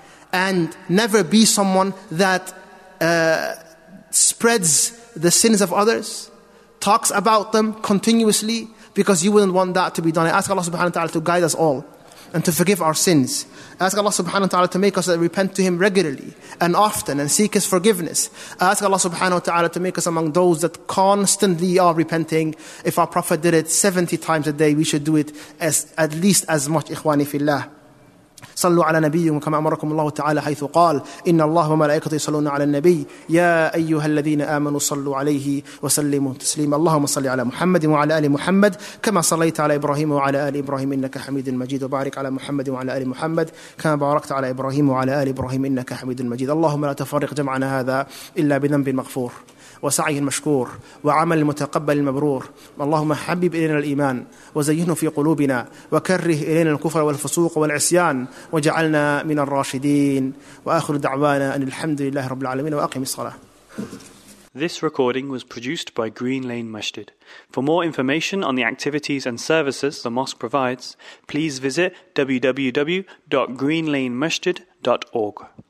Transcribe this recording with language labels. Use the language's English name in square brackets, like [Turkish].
[English] And never be someone that spreads the sins of others, talks about them continuously, because you wouldn't want that to be done. I ask Allah subhanahu wa ta'ala to guide us all and to forgive our sins. I ask Allah subhanahu wa ta'ala to make us repent to Him regularly and often and seek His forgiveness. I ask Allah subhanahu wa ta'ala to make us among those that constantly are repenting. If our Prophet did it 70 times a day, we should do it at least as much, ikhwani fillah. [Arabic] صلوا على نبيكم كما أمركم الله تعالى حيث قال إن الله وملائكته يصلون على النبي يا أيها الذين آمنوا صلوا عليه وسلموا تسليما اللهم صل على محمد وعلى آل محمد كما صليت على إبراهيم وعلى آل إبراهيم إنك حميد مجيد وبارك على محمد وعلى آل محمد كما باركت على إبراهيم وعلى آل إبراهيم إنك حميد مجيد اللهم لا تفرق جمعنا هذا إلا بذنب مغفور وسعي المشكور وعمل المتقبل المبرور اللهم حبب إلينا الإيمان وزينه في قلوبنا وكره إلينا الكفر والفسوق والعصيان وجعلنا من الراشدين وآخر دعوانا أن الحمد لله رب العالمين وأقم الصلاة [English] This recording was produced by Green Lane Masjid. For more information on the activities and services the mosque provides, please visit www.greenlanemasjid.org.